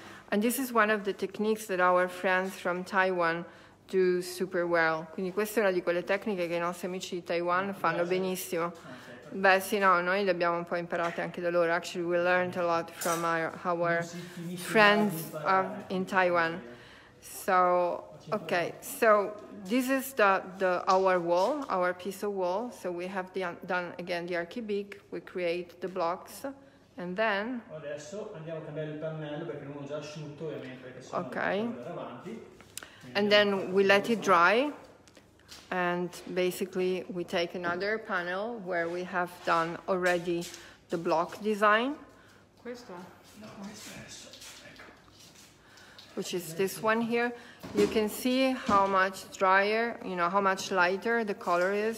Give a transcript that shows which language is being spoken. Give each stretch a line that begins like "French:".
English: And this is one of the techniques that our friends from Taiwan do super well.
Italian: Quindi questa è una di quelle tecniche che i nostri amici di Taiwan fanno benissimo. Beh sì, no, noi le abbiamo un po' imparate anche da loro. Actually we learned a lot from our friends in Taiwan.
English: So, okay, so this is our wall, our piece of wall. So we have done again the Archi Big, we create the blocks, and then...
Italian: Adesso andiamo a cambiare il pannello perché non ho già asciutto, ovviamente, perché sono andato avanti.
English: And then we let it dry, and basically we take another panel where we have done already the block design.
Italian: Questo? No, questo adesso.
English: Which is this one here. You can see how much drier, you know, how much lighter the color is.